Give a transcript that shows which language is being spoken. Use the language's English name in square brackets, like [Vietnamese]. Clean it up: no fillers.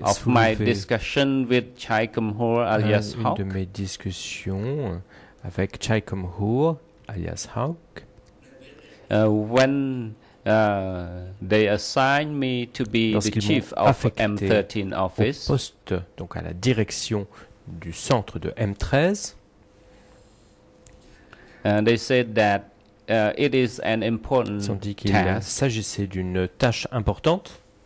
[English] of my discussion with Chai Kumhur alias Hawk. [French] Une de mes discussions avec Chai Kumhur alias Hawk. [English] When they assign me to be the chief of M13 office. [French] Au poste, donc à la direction du centre de M13. [English] And they said that it is an important task. [French] Ils ont dit qu'il s'agissait d'une tâche importante.